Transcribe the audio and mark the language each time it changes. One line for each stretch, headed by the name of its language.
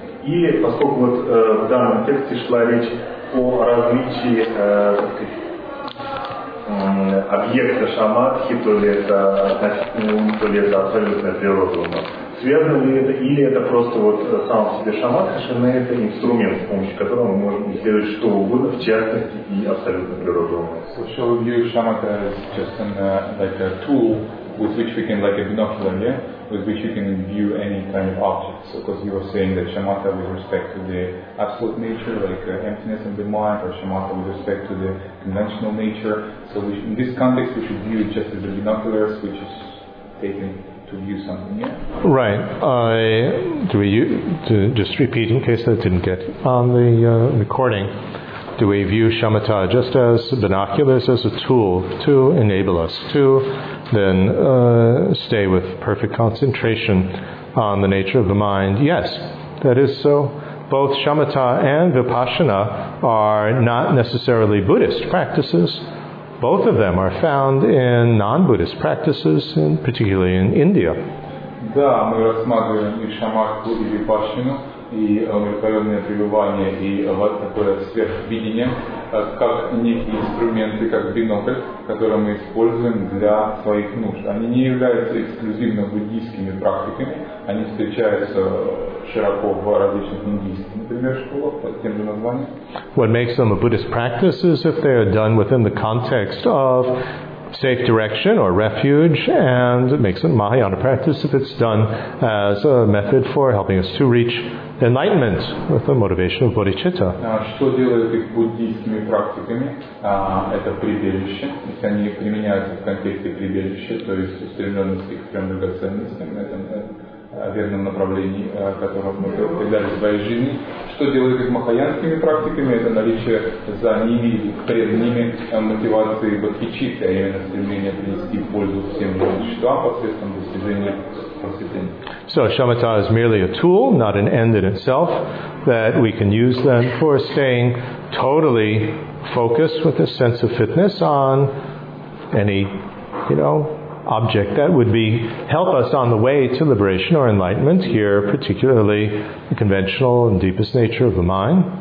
Russian: И поскольку вот в данном тексте шла речь о различии, так сказать, объекта шамадхи, то ли это относительный ум, то ли это абсолютная природа ума, связано ли это, или это просто вот сам в себе шамадхи, шина – это инструмент, с помощью которого мы можем исследовать что угодно, в частности, и абсолютно природу ума.
English: So shall we view shamatha as just an like a tool with which we can, like a binocular, yeah? With which you can view any kind of object. So, because you were saying that shamatha with respect to the absolute nature, like emptiness in the mind, or shamatha with respect to the conventional nature. So we, in this context, we should view it just as a binocular, which is taken to view something, yeah? Right. To just repeat in case that didn't get on the recording. Do we view shamatha just as binoculars, as a tool to enable us to then stay with perfect concentration on the nature of the mind? Yes, that is so. Both shamatha and vipassana are not necessarily Buddhist practices. Both of them are found in non-Buddhist practices, and particularly in India.
Russian: Да, мы рассматриваем и шамадху, и випассану, и умиротворенное пребывание, и вот такое сверхвидение, как некие инструменты, как бинокль, который мы используем для своих нужд. Они не являются эксклюзивно буддийскими практиками, они встречаются широко в различных индийских, например, школах под тем же названием.
English: What makes them a Buddhist practice is if they are done within the context of safe direction or refuge, and it makes it Mahayana practice if it's done as a method for helping us to reach enlightenment with the motivation of bodhicitta.
Russian: Что делает их буддийскими практиками? Это прибежище. Если они применяются в контексте прибежища, то есть устремленности к прям драгоценностям, на этом верном направлении, которого мы предали в своей жизни, Что делает их махаянскими практиками, это наличие за ними и пред ними мотивации бодхичитты, а именно стремление принести пользу всем существам посредством достижения просветления.
English: So shamatha is merely a tool, not an end in itself, that we can use then for staying totally focused with a sense of fitness on any, you know, object that would be help us on the way to liberation or enlightenment, here particularly the conventional and deepest nature of the mind.